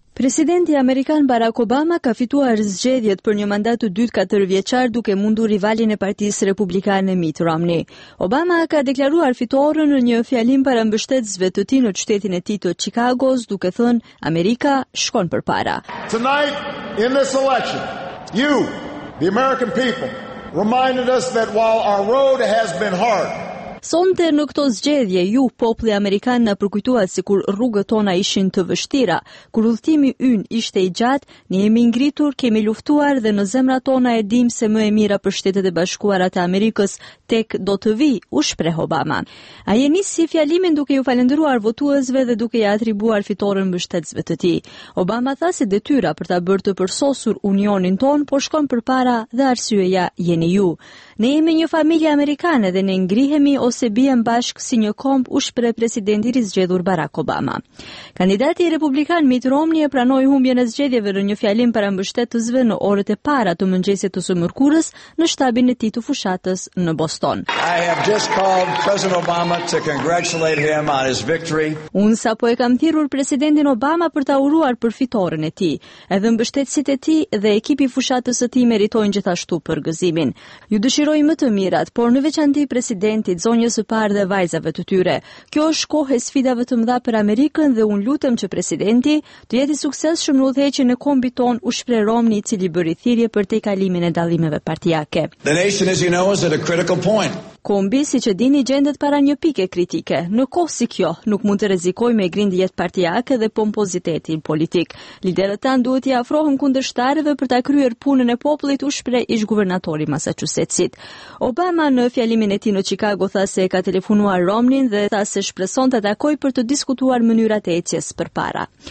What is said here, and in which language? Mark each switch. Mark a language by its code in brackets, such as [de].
[sq] Presidenti amerikan Barack Obama ka fituar zgjedhjet për një mandat të dytë katërvjeçar duke mundur rivalin e Partisë Republikane Mitt Romney. Obama ka deklaruar fitoren në një fjalim para mbështetësve të tij në qytetin e tij të Chicagos, duke thënë Amerika shkon përpara. [en] Tonight in this election, you, the American people, reminded us that while our road has been hard, [sq] sonte në këto zgjedhje, ju, populli amerikan, na përkujtua si kur rrugët tona ishin të vështira, kur udhëtimi ynë ishte i gjatë, ne jemi ngritur, kemi luftuar dhe në zemra tona e dim se më e mira për Shtetet e Bashkuara të Amerikës tek do të vi, u shpreh Obama. Ai e nisi fjalimin duke ju falendëruar votuesve dhe duke ja atribuar fitoren mbështetësve të tij. Obama tha se detyra për ta bërë të përsosur unionin ton po shkon përpara dhe arsyeja jeni ju. Ne jemi një familje amerikane dhe ne ngrihemi ose bijem bashkë si një komb, u shpreh presidenti i zgjedhur Barack Obama. Kandidati i republikan Mitt Romney e pranoi humbjen e zgjedhjeve në një fjalim para mbështetësve në orët e para të mëngjesit të së mërkurës në shtabin e tij të fushatës në Boston. [en] I have just called President Obama to congratulate him on his victory. [sq] Unë sapo e kam thirrur presidentin Obama për ta uruar për fitoren e tij. Edhe mbështetësit e tij dhe ekipi i fushatës së tij meritojnë gjithashtu për gëzimin. Ju dëshiroj më të mirat, por në veçanti presidentit, zonjës së parë dhe vajzave të tyre. Kjo është kohë sfidave të mëdha për Amerikën dhe unë lutem që presidenti të jetë i suksesshëm në udhëheqjen e kombit ton, u shpreh Romney, i cili bëri thirrje për tejkalimin e dallimeve partiake. [en] The nation, as you know, is at a critical point. [sq] Kombi, si që dini, gjendet para një pike kritike. Në kohë si kjo, nuk mund të rrezikoj me grindjet partiake dhe pompozitetin politik. Liderët tan duhet t'i afrohen kundërshtarëve për ta kryer punën e popullit, u shpreh ish-guvernatori Massachusettsit. Obama në fjalimin e tij në Chicago tha se ka telefonuar Romneyn dhe tha se shpreson të takoj për të diskutuar mënyrat e ecjes përpara.